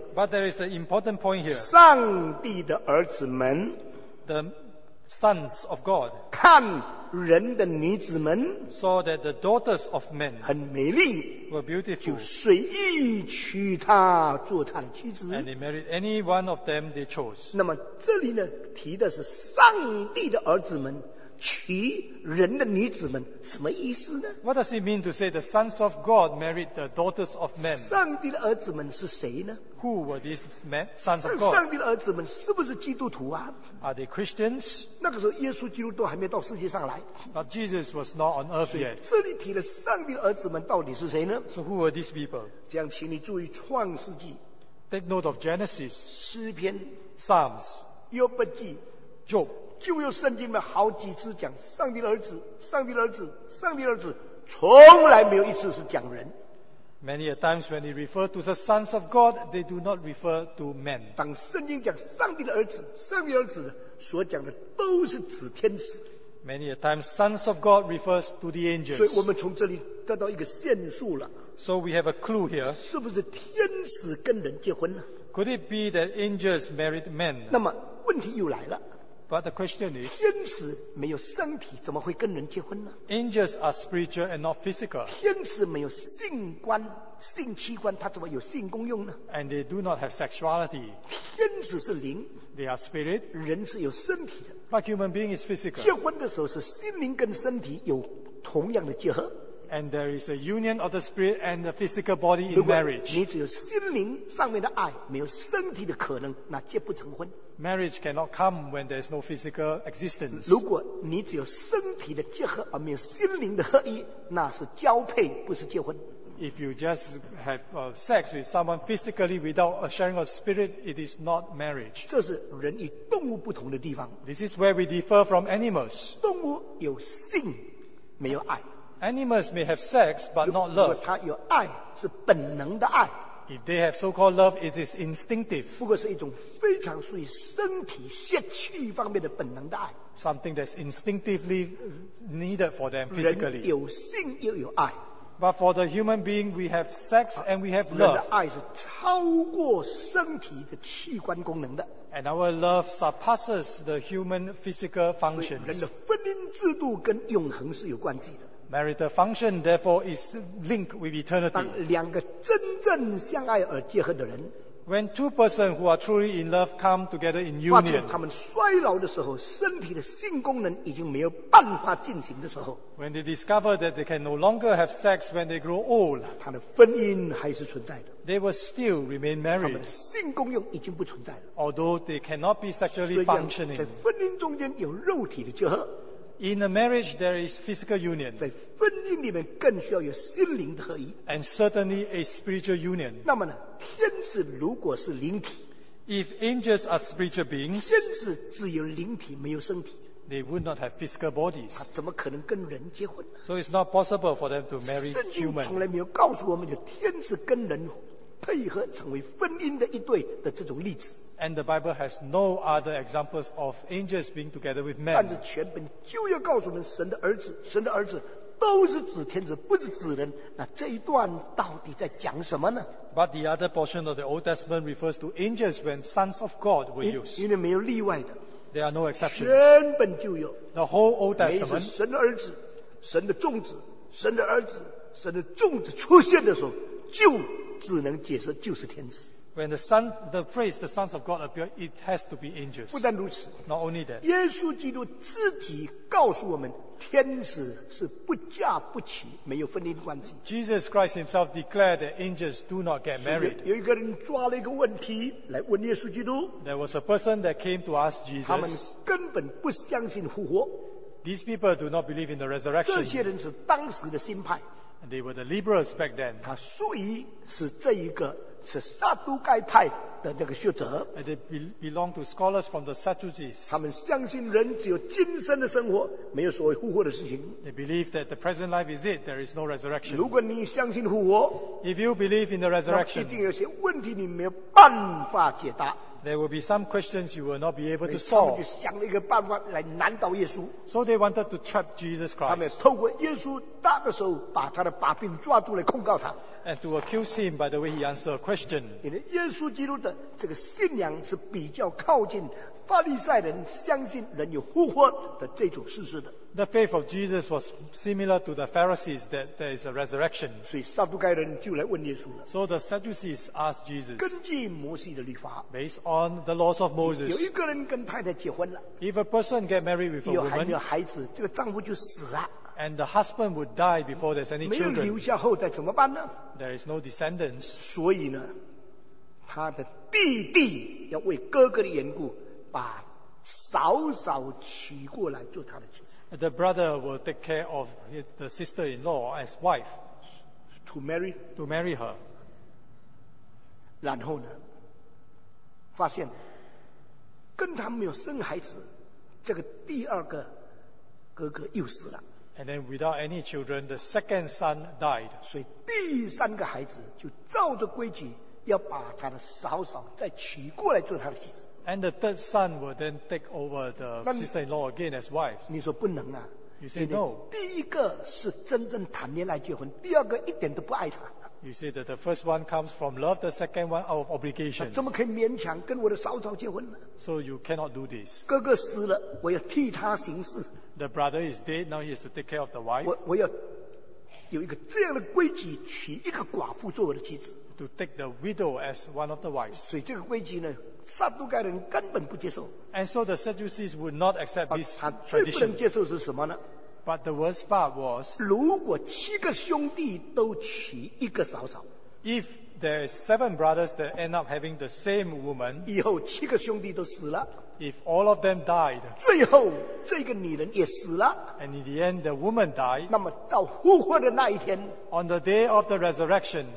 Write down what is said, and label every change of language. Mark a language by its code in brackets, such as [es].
[en] But there is an important point here. [zh] 上帝的儿子们 [en] ，the sons of God， [zh] 看。人的女子们 [en] ，so that the daughters of men [zh] 很美丽 [en] ，were beautiful， [zh] 就随意娶她做她的妻子 [en] ，and they married any one of them they chose。 [zh] 那么这里呢，提的是上帝的儿子们娶人的女子们，什么意思呢 [en] ？What does it mean to say the sons of God married the daughters of men？ [zh] 上帝的儿子们是谁呢 [en] ？Who were these men, sons of God？ [zh] 上帝的儿子们是不是基督徒啊 [en] ？Are they Christians？ [zh] 那个时候，耶稣基督都还没到世界上来。 [en] But Jesus was not on earth yet。 [zh] 这里提了上帝的儿子们到底是谁呢 [en] ？So who were these people？ [zh] 这样，请你注意创世纪。 [en] Take note of Genesis。 [zh] 诗篇。 [en] Psalms。 [zh] 约伯记。 [en] Job。 [zh] 旧约圣经里面好几次讲上帝的儿子，上帝的儿子，上帝的儿子，从来没有一次是讲人。 [en] Many a times when they refer to the sons of God, they do not refer to men. [zh] 当圣经讲上帝的儿子，上帝的儿子所讲的都是指天使。 [en] Many a times sons of God refers to the angels. [zh] 所以我们从这里得到一个线索了。 [en] So we have a clue here. [zh] 是不是天使跟人结婚呢 [en] ？Could it be that angels married men？ [zh] 那么问题又来了。 [en] But the question is, [zh] 天使没有身体，怎么会跟人结婚呢 [en] ？Angels are spiritual and not physical. [zh] 天使没有性官、性器官，他怎么有性功用呢 [en] ？And they do not have sexuality. [zh] 天使是灵 [en] ，They are spirit. [zh] 人是有身体的 [en] ，But human being is physical. [zh] 结婚的时候是心灵跟身体有同样的结合。 [en] And there is a union of the spirit and the physical body in marriage. [zh] 你只有心灵上面的爱，没有身体的可能，那结不成婚。 [en] Marriage cannot come when there is no physical existence. [zh] 如果你只有身体的结合而没有心灵的合一，那是交配，不是结婚。 [en] If you just have sex with someone physically without a sharing of spirit, it is not marriage. [zh] 这是人与动物不同的地方。 [en] This is where we differ from animals. [zh] 动物有性，没有爱。 [en] Animals may have sex but not love. [zh] 如果他有爱，是本能的爱。 [en] If they have so-called love, it is instinctive. [zh] 不过是一种非常属于身体血气方面的本能的爱。 [en] Something that's instinctively needed for them physically. [zh] 人有性又有爱。 [en] But for the human being, we have sex and we have love. [zh] 人的爱是超过身体的器官功能的。 [en] And our love surpasses the human physical functions. [zh] 人的婚姻制度跟永恒是有关系的。 [en] Marital function, therefore, is linked with eternity. [zh] 当两个真正相爱而结合的人 [en] ，When two persons who are truly in love come together in union， [zh] 发现他们衰老的时候，身体的性功能已经没有办法进行的时候 [en] ，When they discover that they can no longer have sex when they grow old， [zh] 他的婚姻还是存在的 [en] ，They will still remain married。 [zh] 他们的性功用已经不存在了 [en] ，Although they cannot be sexually functioning。 [zh] 在婚姻中间有肉体的结合。 [en] In a marriage, there is physical union. [zh] 在婚姻里面更需要有心灵的合一。 [en] And certainly a spiritual union. [zh] 那么呢，天使如果是灵体 [en] ，If angels are spiritual beings, [zh] 天使只有灵体没有身体 [en] ，They would not have physical bodies. [zh] 他怎么可能跟人结婚呢 [en] ？So it's not possible for them to marry human. [zh] 圣经从来没有告诉我们有天使跟人配合成为婚姻的一对的这种例子。 [en] And the Bible has no other examples of angels being together with men. [zh] 但是全本旧约告诉我们，神的儿子，神的儿子都是指天使，不是指人。那这一段到底在讲什么呢 [en] ？But the other portion of the Old Testament refers to angels when sons of God were used. [zh] 因为没有例外的 [en] ，There are no exceptions. [zh] 全本旧约 [en] ，The whole Old Testament， [zh] 每一次神的儿子、神的种子、神的儿子、神的种子出现的时候，就只能解释就是天使。 [en] When the phrase the sons of God appear, it has to be angels. [zh] 不但如此 [en] ，Not only that. [zh] 耶稣基督自己告诉我们，天使是不嫁不娶，没有婚姻关系。 [en] Jesus Christ himself declared that angels do not get married. [zh] 有一个人抓了一个问题来问耶稣基督。 [en] There was a person that came to ask Jesus. [zh] 他们根本不相信复活。 [en] These people do not believe in the resurrection. [zh] 这些人是当时的新派。 [en] And they were the liberals back then. [zh] 他属于是这一个。是撒都盖派的的那个学者。 [en] And they belong to scholars from the Sadducees. [zh] 他们相信人只有今生的生活，没有所谓复活的事情。 [en] They believe that the present life is it. There is no resurrection. [zh] 如果你相信复活 [en] ，If you believe in the resurrection， [zh] 那一定有些问题你没有办法解答。 [en] There will be some questions you will not be able to solve. [zh] 他们就想了一个办法来难倒耶稣。 [en] So they wanted to trap Jesus Christ. [zh] 他们透过耶稣大的手把他的把柄抓住来控告他。 [en] And to accuse him by the way he answered a question. [zh] 因为耶稣基督的这个信仰是比较靠近法利赛人相信人有复活的这种事实的。 [en] The faith of Jesus was similar to the Pharisees that there is a resurrection. [zh] 所以撒都该人就来问耶稣了。 [en] So the Sadducees asked Jesus. [zh] 根据摩西的律法。 [en] Based on the laws of Moses. [zh] 有一个人跟太太结婚了。 [en] If a person get married with a woman. [zh] 还没有孩子，这个丈夫就死了。 [en] And the husband would die before there's any children. [zh] 没有留下后代怎么办呢？ [en] There is no descendants. [zh] 所以呢，他的弟弟要为哥哥的缘故把嫂嫂娶过来做他的妻子。 [en] The brother will take care of the sister-in-law as wife. To marry her. [zh] 然后呢，发现跟他没有生孩子，这个第二个哥哥又死了。 [en] And then without any children, the second son died. [zh] 所以第三个孩子就照着规矩要把他的嫂嫂再娶过来做他的妻子。 [en] And the third son will then take over the sister-in-law again as wife. [zh] 你说不能啊。 [en] You say no. [zh] 第一个是真正谈恋爱结婚，第二个一点都不爱他。 [en] You say that the first one comes from love, the second one out of obligation. [zh] 怎么可以勉强跟我的嫂嫂结婚呢？ [en] So you cannot do this. [zh] 哥哥死了，我要替他行事。 [en] The brother is dead, now he has to take care of the wife. [zh] 我要有一个这样的规矩，娶一个寡妇做我的妻子。 [en] To take the widow as one of the wives. [zh] 所以这个规矩呢，撒都该人根本不接受。 [en] And so the Sadducees would not accept this tradition. [zh] 他最不能接受是什么呢？ [en] But the worst part was, [zh] 如果七个兄弟都娶一个嫂嫂。 [en] If there are seven brothers that end up having the same woman, [zh] 以后七个兄弟都死了。 [en] If all of them died, [zh] 最后这个女人也死了。 [en] And in the end, the woman died. [zh] 那么到复活的那一天， [en] on the day of the resurrection,